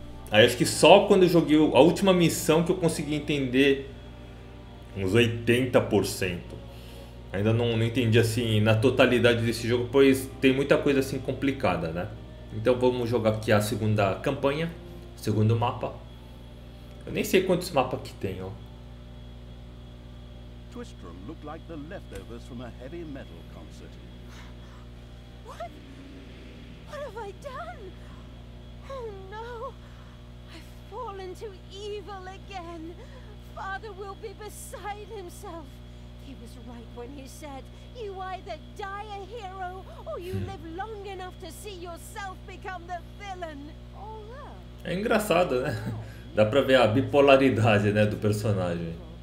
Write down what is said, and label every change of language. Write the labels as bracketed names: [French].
[Portuguese] Aí acho que só quando eu joguei a última missão que eu consegui entender uns 80%. Ainda não entendi assim na totalidade desse jogo, pois tem muita coisa assim complicada, né? Então vamos jogar aqui a segunda campanha, segundo mapa. Eu nem sei quantos mapas que tem, ó. [English] Twistrum looked like the leftovers from a heavy metal concert. What? What have I done? Oh no! I've fallen to evil again. Father will be beside himself. He was right when he said, you either die a hero or you live long enough to see yourself become the villain. [Portuguese] É engraçado, né? Dá pra ver a bipolaridade, né, do personagem.